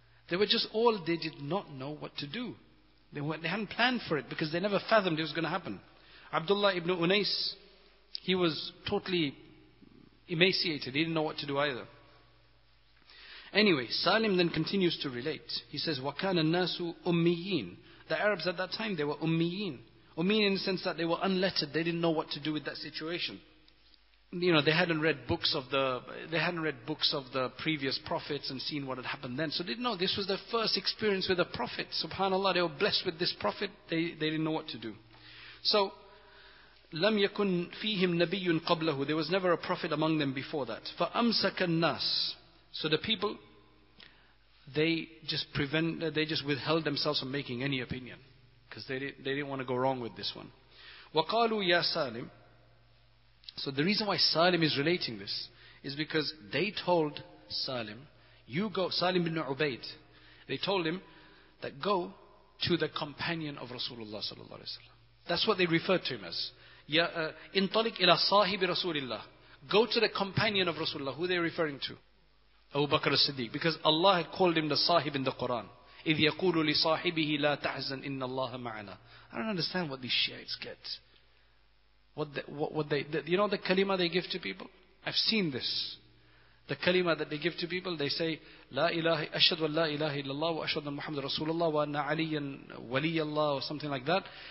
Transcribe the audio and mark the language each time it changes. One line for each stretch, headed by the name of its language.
English: They were just all, they did not know what to do. They hadn't planned for it because they never fathomed it was going to happen. Abdullah ibn Unais, he was totally emaciated. He didn't know what to do either. Anyway, Salim then continues to relate. He says,
Arabic: وَكَانَ النَّاسُ أُمِّيِّينَ.
English: The Arabs at that time, they were أُمِّيِّينَ. أُمِّيِّينَ in the sense that they were unlettered. They didn't know what to do with that situation. You know, they hadn't read books of the previous prophets and seen what had happened then. So they didn't know. This was their first experience with a prophet. SubhanAllah, they were blessed with this prophet. They didn't know what to do.
Arabic: So, لَمْ يَكُنْ فِيهِمْ نَبِيٌّ قَبْلَهُ.
English: There was never a prophet among them before that.
Arabic: فَأَمْسَكَ النَّاسِ.
English: So the people, they just withheld themselves from making any opinion. Because they didn't want to go wrong with this one.
Arabic: وَقَالُوا يَا سَالِمْ.
English: So the reason why Salim is relating this is because they told Salim, you go, Salim bin Ubaid, they told him that go to the companion of Rasulullah sallallahu alaihi wasallam. That's what they referred to him as.
Arabic: Ya intaliq ila sahibi Rasulillah.
English: Go to the companion of Rasulullah. Who are they referring to? Abu Bakr as-Siddiq. Because Allah had called him the sahib in the Quran.
Arabic: إِذْ يَقُولُ لِصَاحِبِهِ لَا تَحْزَنْ إِنَّ اللَّهَ مَعَنَا.
English: I don't understand what these Shiites get. You know the kalima they give to people? I've seen this. The kalima that they give to people, they say,
Arabic: لا إله أشهد أن لا إله إلا الله وأشهد أن محمد رسول الله وأن علي ولي الله
English: or something like that.